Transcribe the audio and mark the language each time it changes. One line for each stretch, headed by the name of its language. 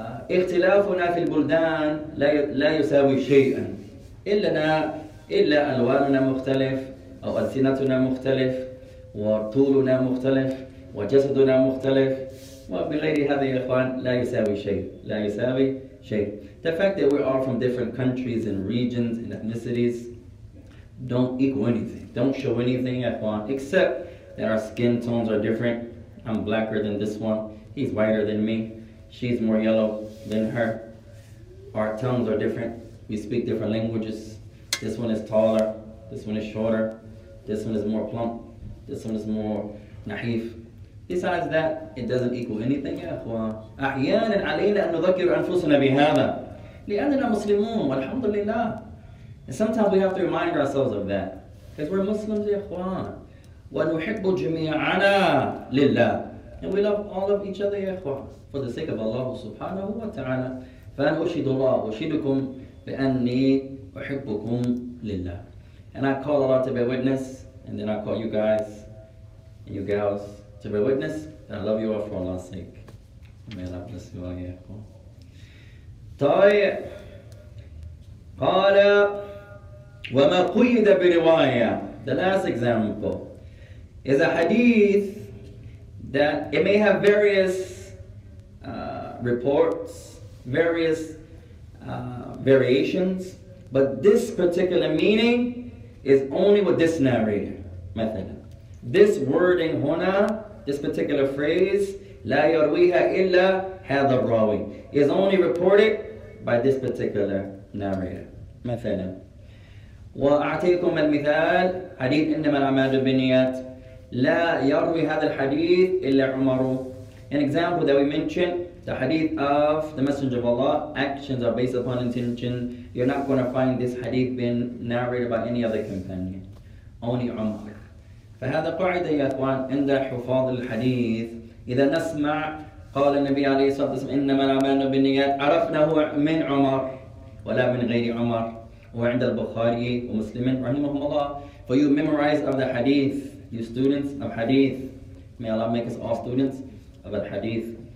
Arabic: اختلافنا في البلدان لا يساوي شيئا. إلا ألواننا مختلف. أو ألسنتنا مختلف وطولنا مختلف وجسدنا مختلف وبغير هذا يا إخوان لا يساوي شيء لا يساوي شيء.
English: The fact that we are from different countries and regions and ethnicities don't equal anything, don't show anything
Arabic: يا إخوان,
English: except that our skin tones are different. I'm blacker than this one. He's whiter than me. She's more yellow than her. Our tongues are different. We speak different languages. This one is taller. This one is shorter. This one is more plump. This one is more naif. Besides that, it doesn't equal anything,
Arabic: يا أخوان. أحياناً علينا أن نذكر أنفسنا بهذا. لأننا مسلمون والحمد لله.
English: And sometimes we have to remind ourselves of that. Because we're Muslims,
Arabic: يا أخوان. ونحب جميعنا لله.
English: And we love all of each other,
Arabic: يا أخوان.
English: For the sake of Allah سبحانه وتعالى.
Arabic: فأن أشهد الله وأشهدكم بأني أحبكم لله.
English: And I call Allah to be witness, and then I call you guys and you gals to be witness, and I love you all for Allah's sake. May Allah bless you all, yeah.
Arabic: طيب قال وما قيد برواية.
English: The last example is a hadith that it may have various reports, various variations, but this particular meaning is only with this narrator,
Arabic: مثلا.
English: This wording
Arabic: هنا,
English: this particular phrase,
Arabic: لا يرويها إلا هذا الراوي,
English: is only reported by this particular narrator,
Arabic: مثلا. وأعطيكم المثال, حديث إنما الأعمال بالنيات, لا يروي هذا الحديث إلا عمر.
English: An example that we mentioned, the hadith of the Messenger of Allah, actions are based upon intention. You're not going to find this hadith being narrated by any other companion, only Umar.
Arabic: فهذا قاعدة يا أخوان عند حفاظ الحديث. إذا نسمع قال النبي عليه الصلاة والسلام إنما الأعمال بالنيات عرفناه من عمر ولا من غير عمر. وعند البخاري ومسلم رحمهم الله.
English: For you memorize of the hadith, you students of hadith, may Allah make us all students of the hadith.